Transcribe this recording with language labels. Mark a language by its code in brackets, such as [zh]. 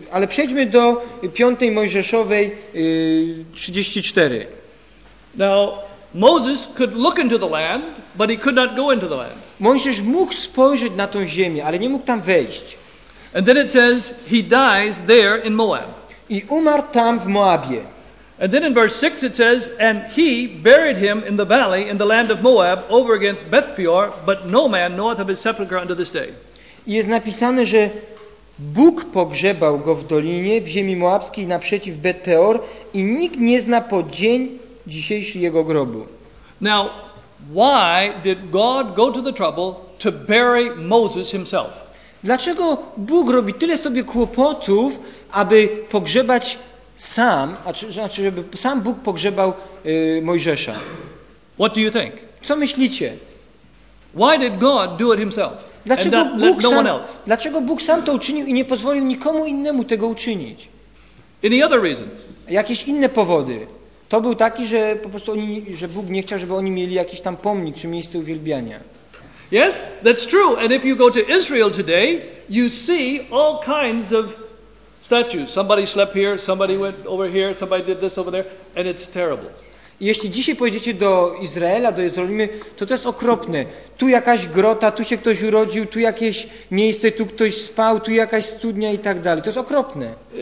[pl] Ale przejdźmy do 5 Mojżeszowej 34. [en] Now Moses could look into the land, but he could not go into the land. [pl] Mojżesz mógł spojrzeć na tą ziemię, ale nie mógł tam wejść. [en] And then it says he dies there in Moab. [pl] I umarł tam w Moabie. [en] And then in verse 6 it says, and he buried him in the valley in the land of Moab over against Beth Peor, but no man knoweth of his sepulchre unto this day. [pl] I jest napisane, że Bóg pogrzebał go w dolinie, w ziemi moabskiej, naprzeciw Beth Peor i nikt nie zna po dzień dzisiejszy jego grobu. [en] Now, why did God go to the trouble to bury Moses himself? [pl] Dlaczego Bóg robi tyle sobie kłopotów, aby pogrzebać sam, znaczy żeby sam Bóg pogrzebał Mojżesza? [en] What do you think? [pl] Co myślicie? [en] Why did God do it himself? [pl] Dlaczego Bóg sam, dlaczego Bóg sam to uczynił i nie pozwolił nikomu innemu tego uczynić? [en] Any other reasons? [pl] Jakieś inne powody. To był taki, że po prostu oni, że Bóg nie chciał, żeby oni mieli jakiś tam pomnik czy miejsce uwielbiania. [en] Yes, that's true. And if you go to Israel today, you see all kinds of statues. Somebody slept here, somebody went over here, somebody did this over there, and it's terrible. [pl] Jeśli dzisiaj pojedziecie do Izraela, do Jerozolimy, to jest okropne. Tu jakaś grota, tu się ktoś urodził, tu jakieś miejsce, tu ktoś spał, tu jakaś studnia i tak dalej. To jest okropne.